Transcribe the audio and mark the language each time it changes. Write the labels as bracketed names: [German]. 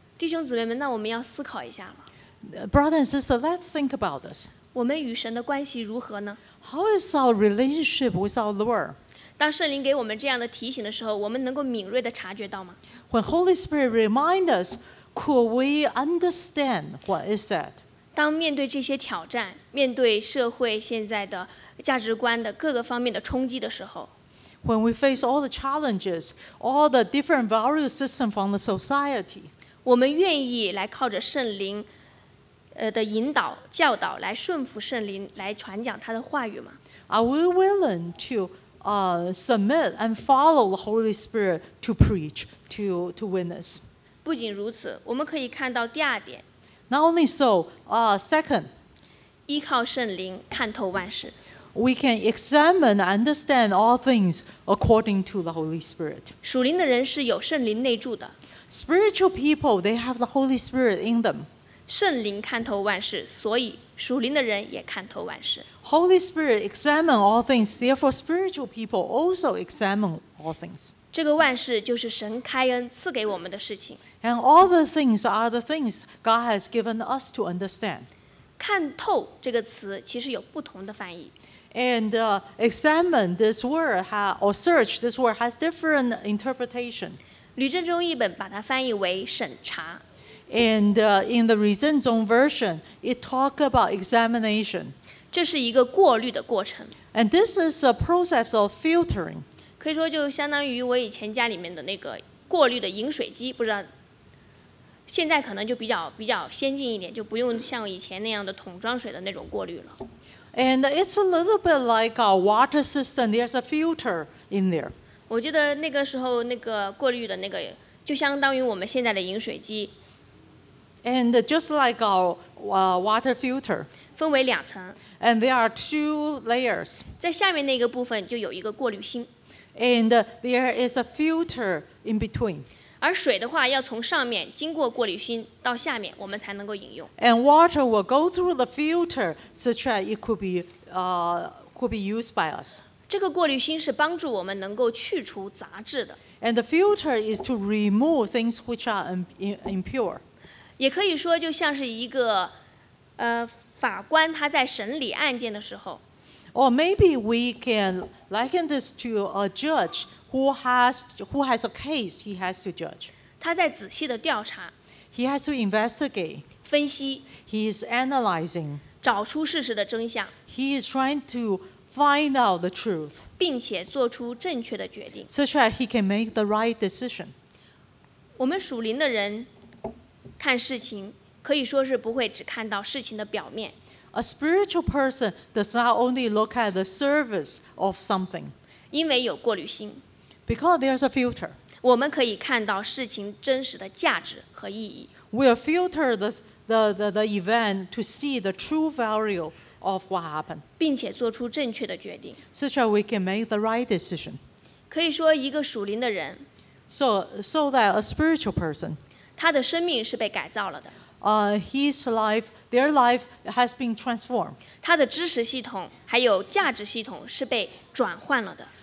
[Chinese] 弟兄姊妹们，那我们要思考一下吗？ [English] Brother and sister, let's think about this. [Chinese] 我们与神的关系如何呢？ [English] How is our relationship with our Lord? [Chinese] 当圣灵给我们这样的提醒的时候，我们能够敏锐地察觉到吗？ [English] When Holy Spirit reminds us, could we understand what is said? [Chinese] 当面对这些挑战，面对社会现在的价值观的各个方面的冲击的时候， [English] When we face all the challenges, all the different value systems from the society, [Chinese] 我们愿意来靠着圣灵的引导教导，来顺服圣灵，来传讲他的话语吗？ [English] Are we willing to submit and follow the Holy Spirit to preach, to witness? [Chinese] 不仅如此，我们可以看到第二点。 [English] Not only so, second, [Chinese] 依靠圣灵看透万事。 [English] We can examine and understand all things according to the Holy Spirit. [Chinese] 属灵的人是有圣灵内住的。 [English] Spiritual people, they have the Holy Spirit in them. [Chinese] 圣灵看透万事，所以属灵的人也看透万事。 [English] Holy Spirit examine all things, therefore spiritual people also examine all things. [Chinese] 这个万事就是神开恩赐给我们的事情。 [English] And all the things are the things God has given us to understand. [Chinese] 看透这个词其实有不同的翻译。 [English] And examine this word or search this word has different interpretation. [Chinese] 吕正中译本把它翻译为审查。 [English] And in the Reason Zone version, it talks about examination. [Chinese] 这是一个过滤的过程。 [English] And this is a process of filtering. [Chinese] 可以说就相当于我以前家里面的那个过滤的饮水机，不知道现在可能就比较先进一点，就不用像以前那样的桶装水的那种过滤了。 [English] And it's a little bit like our water system. There's a filter in there. [Chinese] 我觉得那个时候那个过滤的那个就相当于我们现在的饮水机。 [English] And just like our water filter. [Chinese] 分为两层。 [English] And there are two layers. [Chinese] 在下面那个部分就有一个过滤芯。 [English] And there is a filter in between. [Chinese] 而水的话要从上面经过过滤芯到下面，我们才能够饮用。 [English] And water will go through the filter such that it could be used by us. [Chinese] 这个过滤芯是帮助我们能够去除杂质的。 [English] And the filter is to remove things which are impure. [Chinese] 也可以说就像是一个法官他在审理案件的时候。 [English] Or maybe we can liken this to a judge who has a case he has to judge. [Chinese] 他在仔细的调查。 [English] He has to investigate. [Chinese] 分析。 [English] He is analyzing. [Chinese] 找出事实的真相。 [English] He is trying to find out the truth. [Chinese] 并且做出正确的决定。 [English] Such that he can make the right decision. [Chinese] 我们属灵的人看事情可以说是不会只看到事情的表面。 [English] A spiritual person does not only look at the surface of something. [Chinese] 因为有过滤芯。 [English] Because there's a filter. [Chinese] 我们可以看到事情真实的价值和意义。 [English] We'll filter the event to see the true value of what happened. [Chinese] 并且做出正确的决定。 [English] Such that we can make the right decision. [Chinese] 可以说一个属灵的人。 [English] So that a spiritual person. [Chinese] 他的生命是被改造了的。 [English] His life, their life has been transformed. [Chinese] 他的知识系统还有价值系统是被转换了的。